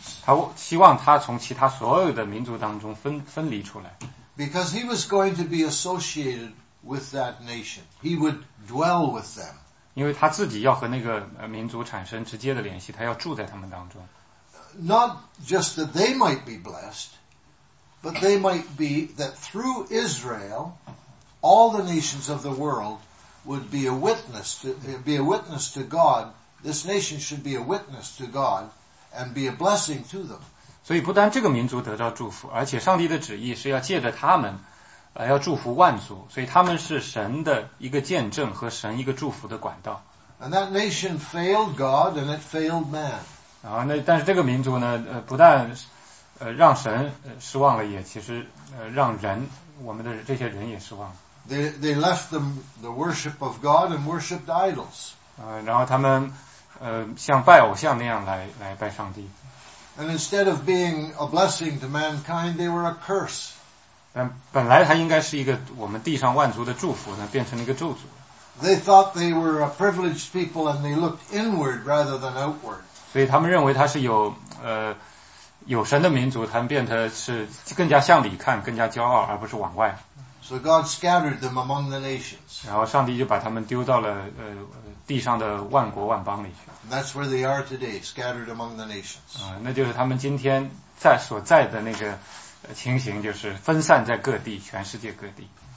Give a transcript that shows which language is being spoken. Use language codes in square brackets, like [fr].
[zh] 他希望他从其他所有的民族当中分离出来。 [en] Because he was going to be associated with that nation, he would dwell with them. [zh] 因为他自己要和那个民族产生直接的联系，他要住在他们当中。 [en] Not just that they might be blessed. But they might be that through Israel, all the nations of the world would be a witness to God. This nation should be a witness to God and be a blessing to them. [zh] 所以不单这个民族得到祝福，而且上帝的旨意是要借着他们，要祝福万族。所以他们是神的一个见证和神一个祝福的管道。 [en] And that nation failed God and it failed man. [zh] 啊，那但是这个民族呢，不但让神失望了，也其实让人，我们的这些人也失望了。 [en] They left them the worship of God and worshipped idols. [zh] 然后他们像拜偶像那样来拜上帝。 [en] And instead of being a blessing to mankind, they were a curse. [zh] 但本来他应该是一个我们地上万族的祝福，那变成了一个咒诅。 [en] They thought they were a privileged people and they looked inward rather than outward. [zh] 所以他们认为他是有神的民族，他们变得是更加向里看，更加骄傲，而不是往外。 [en] So God scattered them among the nations. [zh] 然后上帝就把他们丢到了地上的万国万邦里去。 [en] That's where they are today, scattered among the nations. [zh] 那就是他们今天在所在的那个情形，就是分散在各地，全世界各地。